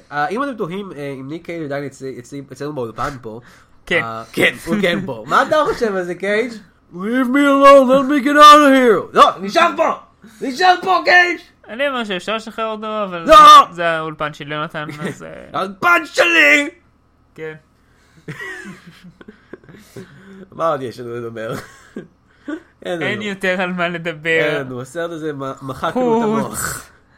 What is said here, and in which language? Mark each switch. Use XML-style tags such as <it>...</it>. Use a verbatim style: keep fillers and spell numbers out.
<he>אם אתם תוהים, אם ניק קייג' עדיין אצלנו באולפן פה, כן. הוא כן פה. מה אתה חושב על זה, קייג'?</he> <en>Leave me alone, let me get out of here.</en> <he>לא, נשאר פה! נשאר פה, קייג'! אני אומר שאפשר שחרר אותו, אבל זה האולפן של יונתן, אז... האולפן שלי! כן. מה עוד יש לנו לדבר? אין יותר על מה לדבר. אין לנו, הסרט הזה מחקנו את המוח.</he>